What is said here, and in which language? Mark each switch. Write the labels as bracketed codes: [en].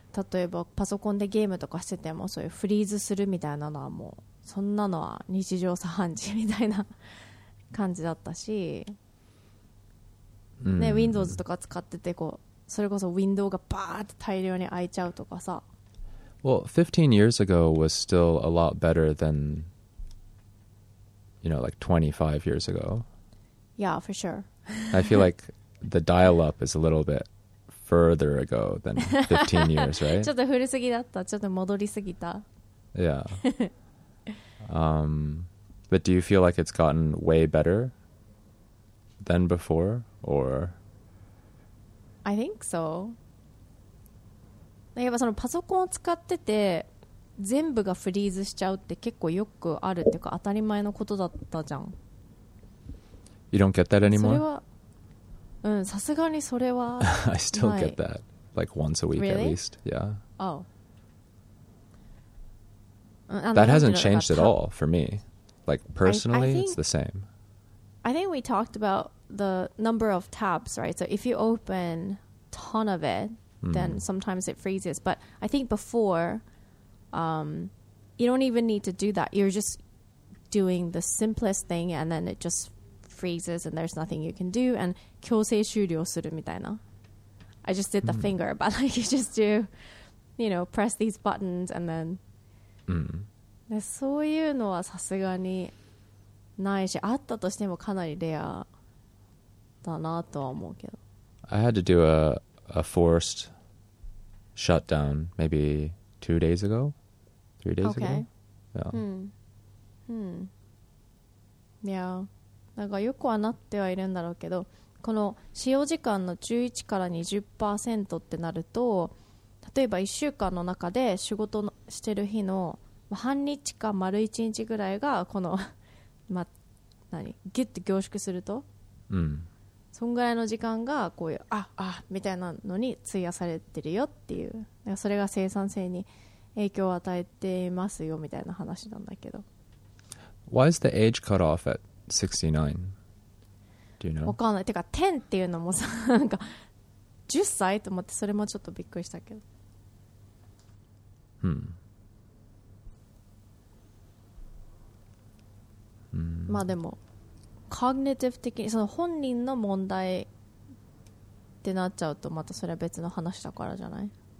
[ja] 例えばパソコンでゲームとかしててもそういうフリーズするみたいなのはもうそんなのは日常茶飯事みたいな感じだったし、ね、Windows とか使ってて、こうそれこそ Window がバーって大量に開いちゃうとかさ。 [en] Well, 15 years ago was still a lot better than, you know, like 25 years ago. Yeah, for sure. I feel like the dial-up is a little bit further ago than 15 years, right? [ja] ちょっと古すぎだった、ちょっと戻りすぎた。 [en] Yeah. But do you feel like it's gotten way better than before, or? I think so. [ja] やっぱそのパソコンを使ってて全部がフリーズしちゃうって結構よくあるっていうか当たり前のことだったじゃん。 [en] You don't get that anymore? [ja] それは、うん、さすがにそれはない。 [en] I still get that, like once a week、 really? at least. Yeah. Oh. That hasn't changed at all for me. Like, personally, I think, it's the same. I think we talked about the number of tabs, right? So if you open a ton of it, then sometimes it freezes. But I think before, you don't even need to do that. You're just doing the simplest thing, and then it just freezes and there's nothing you can do, and [ja] 強制終了するみたいな。 [en] I just did the finger, but like you just do, you know, press these buttons and then. [ja] でそういうのはさすがにないし、あったとしてもかなりレアだなとは思うけど。 [en] I had to do a forced shutdown maybe 2 days ago, 3 days ago. Yeah. [ja] いや、なんかよくはなってはいるんだろうけど、この使用時間の11から 20% ってなると、例えば1週間の中で仕事のしてる日の半日か丸1日ぐらいがこの、ま、何ギュッと凝縮すると、そんぐらいの時間がこういうああみたいなのに費やされてるよっていう、だからそれが生産性に影響を与えてますよみたいな話なんだけど。 [en] Why is the age cutoff at 69? Do you know? [ja] わかんない。てか10っていうのもさ、なんか10歳と思って、それもちょっとびっくりしたけど。まあでも、cognitive 的に、その本人の問題ってなっちゃうと、またそれは別の話だからじゃない?